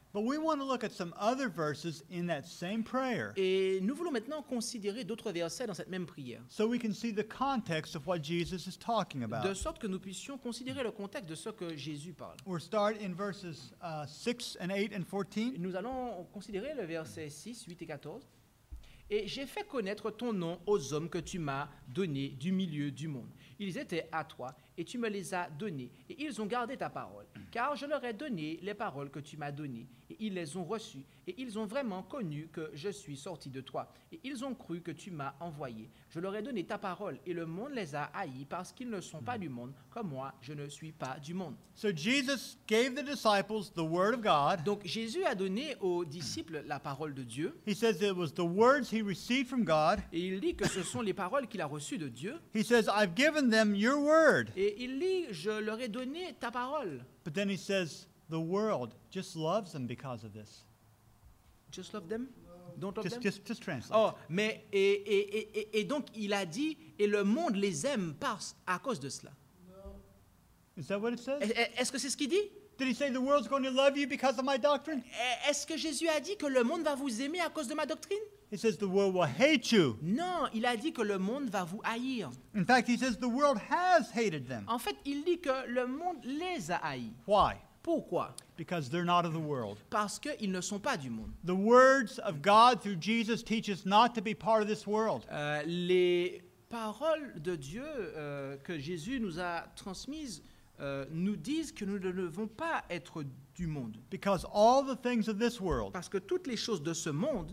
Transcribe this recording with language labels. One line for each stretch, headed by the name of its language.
English: But we want to look at some other verses in that same prayer.
French: Et nous voulons maintenant considérer d'autres versets dans cette même prière.
English: So we can see the context of what Jesus is talking about.
French: De sorte que nous puissions considérer le contexte de ce que Jésus parle.
English: We'll start in verses 6 and 8 and 14.
French: Nous allons considérer le verset 6, 8 et 14. Et j'ai fait connaître ton nom aux hommes que tu m'as donné du milieu du monde. Ils étaient à toi, et tu me les as donnés, et ils ont gardé ta parole. Car je leur ai donné les paroles que tu m'as données, et ils les ont reçues, et ils ont vraiment connu que je suis sorti de toi. Et ils ont cru que tu m'as envoyé. Je leur ai donné ta parole, et le monde les a haïs, parce qu'ils ne sont pas du monde, comme moi, je ne suis pas du monde.
English: So Jesus gave the disciples the word of God.
French: Donc Jésus a donné aux disciples la parole de Dieu.
English: He says it was the words he received from God.
French: Et il dit que ce sont les paroles qu'il a reçues de Dieu.
English: He says, I've given them your word.
French: Et il dit, je leur ai donné ta parole.
English: But then he says, the world just loves them because of this. Just love them? Don't love just, them? Just translate.
French: Oh, mais et donc il a dit, et le monde les aime à cause de cela.
English: No. Is that what it says?
French: Est-ce que c'est ce qu'il dit?
English: Did he say the world's going to love you because of my doctrine?
French: Est-ce que Jésus a dit que le monde va vous aimer à cause de ma doctrine?
English: He says the world will hate you.
French: Non, il a dit que le monde va vous haïr.
English: In fact, he says the world has hated them.
French: En fait, il dit que le monde les a haïs.
English: Why?
French: Pourquoi?
English: Because they're not of the world.
French: Parce qu'ils ne sont pas du monde.
English: The words of God through Jesus teach us not to be part of this world.
French: Les paroles de Dieu que Jésus nous a transmises nous disent que nous ne devons pas être du monde.
English: Because all the things of this world,
French: parce que toutes les choses de ce monde,